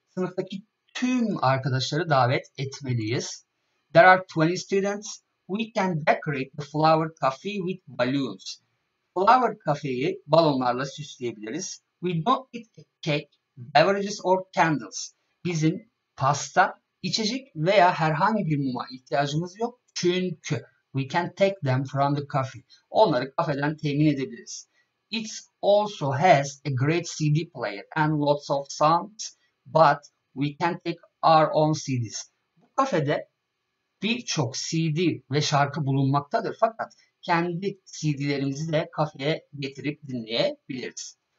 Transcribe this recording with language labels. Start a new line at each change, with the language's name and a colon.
Turkish: Sınıftaki tüm arkadaşları davet etmeliyiz.
English: There are 20 students. We can decorate the flower cafe with balloons.
Turkish: Flower cafe'yi balonlarla süsleyebiliriz.
English: We don't need a cake, beverages or candles.
Turkish: Bizim pasta, içecek veya herhangi bir muma ihtiyacımız yok. Çünkü
English: we can take them from the cafe.
Turkish: Onları kafeden temin edebiliriz.
English: It also has a great CD player and lots of sounds, but we can take our own CDs.
Turkish: Bu kafede birçok CD ve şarkı bulunmaktadır fakat kendi CD'lerimizi de kafeye getirip dinleyebiliriz.